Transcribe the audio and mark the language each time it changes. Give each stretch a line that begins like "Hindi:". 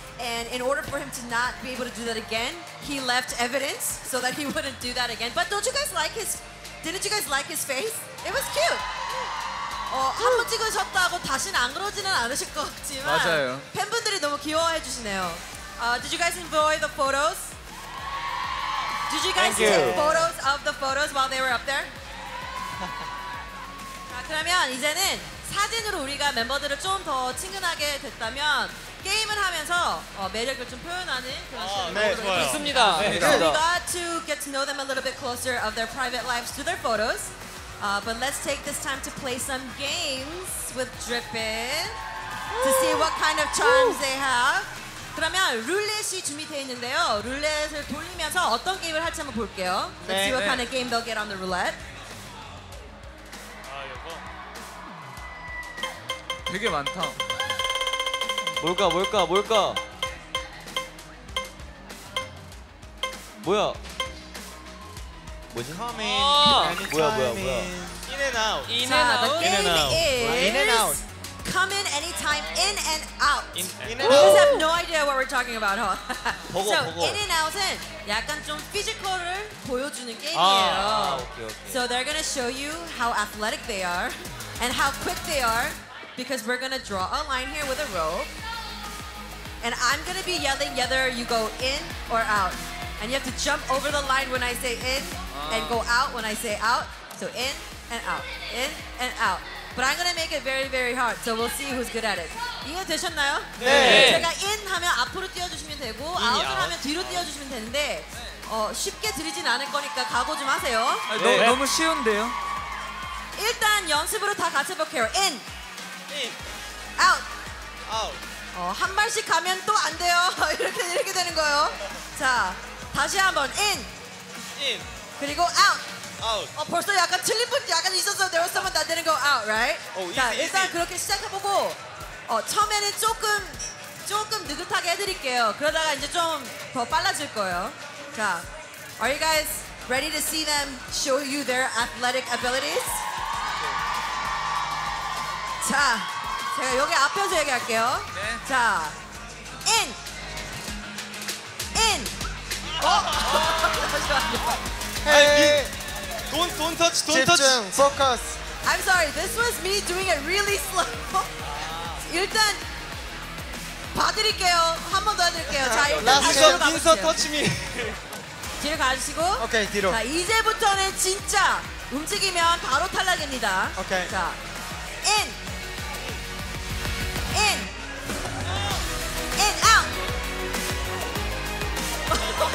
English: And in order for him to not be able to do that again, he left evidence so that he wouldn't do that again. But don't you guys like his? Didn't you guys like his face? It was cute.
Korean: 한 번 찍으셨다고 다시는 안 그러지는 않으실 것 같지만 맞아요. 팬분들이 너무 귀여워해 주시네요.
English: Did you guys enjoy the photos? Did you guys take photos of the photos while they were up there?
Korean: 자, 그러면 이제는 사진으로 우리가 멤버들을 좀 더 친근하게 됐다면 게임을 하면서 매력을 좀 표현하는 그런 시간을 있습니다.
English: 네, so we got to get to know them a little bit closer of their private lives to their photos. But let's take this time to play some games with Drippin to see what kind of charms they have.
Korean: 그러면 룰렛이 준비되어 있는데요. 룰렛을 돌리면서 어떤 게임을 할지 한번 볼게요.
English: Let's see what kind of game they'll get on the roulette.
Korean: 아, 여보. 되게 많다. 뭘까? 뭐야? 뭐지?
English: Coming.
Korean: 아~ 뭐야?
English: In and out. In and out. In and out. In and out. Come in anytime, in and out. In and out. You guys have no idea what we're talking about, huh?
Korean: 보고,
English: so
Korean: 보고. In and out은 약간 좀 피지컬을 보여주는 게임이에요. 아, 오케이, 오케이.
English: So they're gonna show you how athletic they are and how quick they are because we're gonna draw a line here with a rope. And I'm gonna be yelling whether you go in or out. And you have to jump over the line when I say in and go out when I say out. So in and out, in and out. But I'm gonna make it very, very hard. So we'll see who's good at it.
Korean: 이해 되셨나요? 네. 제가 in 하면 앞으로 뛰어주시면 되고, out 하면 뒤로 뛰어주시면 되는데, 쉽게 드리진 않을 거니까 각오 좀 하세요. 네. 너무 쉬운데요? 일단 연습으로 다 같이 해볼게요.
English: In. In. Out. Out.
Korean: 한 발씩 가면 또 안 돼요. 이렇게 되는 거예요. 자, 다시 한번 in.
English: In.
Korean: 그리고 out.
English: Out.
Korean: 벌써 약간 틀린 분 약간 있어서
English: there was someone that didn't go out, right? Oh, 자, easy,
Korean: 일단
English: easy.
Korean: 그렇게 시작해보고 처음에는 조금 느긋하게 해드릴게요. 그러다가 이제 좀 더 빨라질 거예요.
English: 자, are you guys ready to see them show you their athletic abilities? Okay.
Korean: 자, 제가 여기 앞에서 얘기할게요. 네.
English: 자, in! In! Don't touch, don't
Korean: 집중,
English: touch! Focus! I'm sorry, this was me doing it really slow.
Korean: 일단, 봐드릴게요. 한 번 더 해드릴게요. 자, 일단 다시 한번 봐보세요.
English: 인서 터치 미!
Korean: 뒤로 가주시고. 오케이, 뒤로. 자, 이제부터는 진짜 움직이면 바로 탈락입니다. 오케이.
English: 자, in! In, in, out.